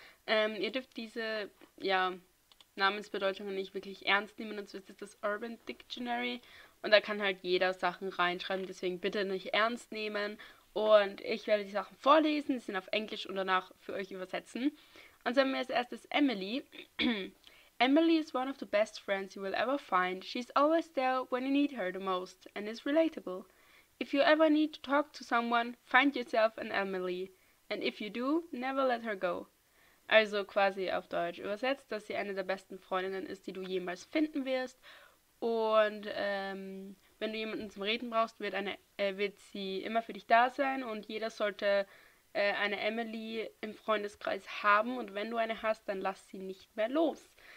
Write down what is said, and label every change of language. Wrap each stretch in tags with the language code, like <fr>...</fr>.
<de>Ihr dürft diese, ja, Namensbedeutungen nicht wirklich ernst nehmen. Und zwar ist das Urban Dictionary. Und da kann halt jeder Sachen reinschreiben, deswegen bitte nicht ernst nehmen. Und ich werde die Sachen vorlesen, die sind auf Englisch und danach für euch übersetzen. Und dann haben wir als erstes Emily.</de> <en>Emily is one of the best friends you will ever find. She's always there when you need her the most and is relatable. If you ever need to talk to someone, find yourself an Emily. And if you do, never let her go.</en> <de>Also quasi auf Deutsch übersetzt, dass sie eine der besten Freundinnen ist, die du jemals finden wirst. Und wenn du jemanden zum Reden brauchst, wird sie immer für dich da sein und jeder sollte eine Emily im Freundeskreis haben und wenn du eine hast, dann lass sie nicht mehr los.</de>